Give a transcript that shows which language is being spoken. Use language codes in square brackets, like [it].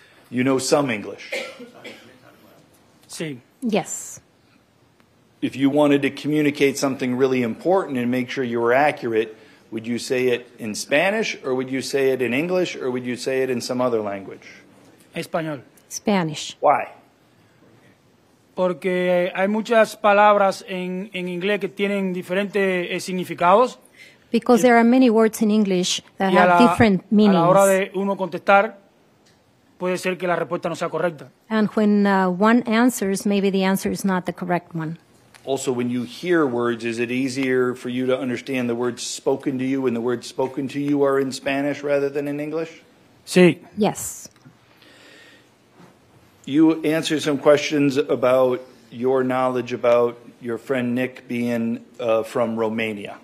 [en] You know some English? [es] Sí. [en] Yes. If you wanted to communicate something really important and make sure you were accurate, would you say it in Spanish, or would you say it in English, or would you say it in some other language? [es] Español. [en] Spanish. Why? [es] Porque hay muchas palabras en inglés que tienen diferentes significados. [en] Because there are many words in English that have different meanings. [es] Y a la hora de uno contestar, puede ser que la respuesta no sea correcta. [en] And when one answers, maybe the answer is not the correct one. Also, when you hear words, is it easier for you to understand the words spoken to you when the words spoken to you are in Spanish rather than in English? [es] Sí. [en] Yes. You answered some questions about your knowledge about your friend Nick being from Romania.